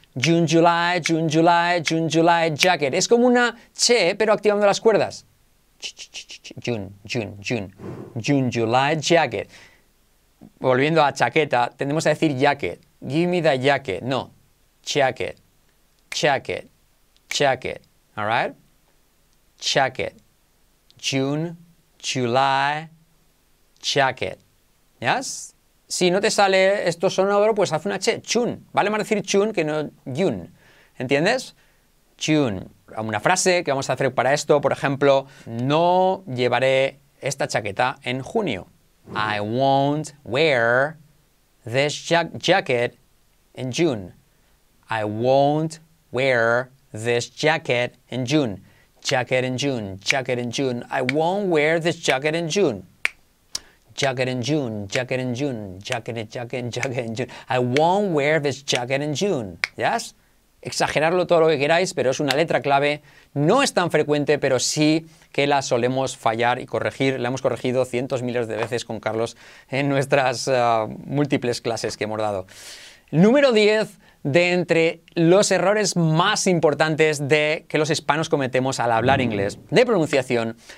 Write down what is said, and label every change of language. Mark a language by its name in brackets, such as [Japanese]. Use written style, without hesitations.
[English] June, July, June, July, June, July, jacket. [Spanish] Es como una che, pero activando las cuerdas. [English] June, June, June. June, July, jacket. [Spanish] Volviendo a chaqueta, tendemos a decir jacket. [English] Give me the jacket. No. Jacket, jacket, jacket. All right? Jacket. June, July, jacket. Yes? [Spanish] Si no te sale esto sonoro, pues haz una che. Chun. Vale más decir chun que no yun. ¿Entiendes? Chun. Una frase que vamos a hacer para esto, por ejemplo, no llevaré esta chaqueta en junio. [English] I won't wear this jacket in June. I won't wear this jacket in June. Jacket in June, jacket in June. I won't wear this jacket in June. Jacket in June, jacket in June, jacket in, jacket in, jacket in June. I won't wear this jacket in June. ¿Yes? [Spanish] Exagerarlo todo lo que queráis, pero es una letra clave. No es tan frecuente, pero sí que la solemos fallar y corregir. La hemos corregido cientos miles de veces con Carlos en nuestras múltiples clases que hemos dado. Número 10 de entre los errores más importantes de que los hispanos cometemos al hablar inglés de pronunciación.